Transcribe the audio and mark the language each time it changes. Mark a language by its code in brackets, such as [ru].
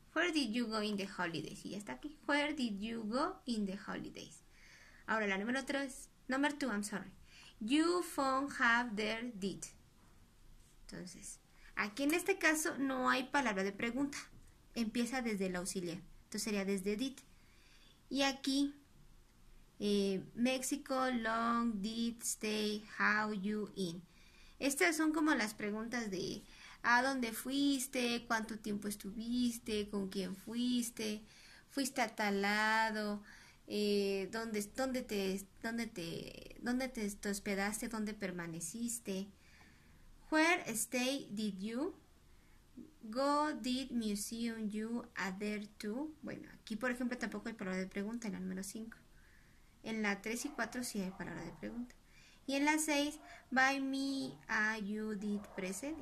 [en] Where did you go in the holidays? [es] Y ya está aquí. [en] Where did you go in the holidays? [es] Ahora la número 3. [en] Number 2, I'm sorry. You phone have there did. [es] Entonces, aquí en este caso no hay palabra de pregunta. Empieza desde el auxiliar. Entonces sería desde did. Y aquí, [en] Mexico, long, did, stay, how you in. [es] Estas son como las preguntas de ¿a dónde fuiste? ¿Cuánto tiempo estuviste? ¿Con quién fuiste? ¿Fuiste a tal lado? ¿Dónde te hospedaste? ¿Dónde permaneciste? [en] Where stay did you? Go did museum you adhere to? [es] Bueno, aquí por ejemplo tampoco hay palabra de pregunta en la número 5. En la 3 y 4 sí hay palabra de pregunta. Y en la 6, [en] by me, you did present.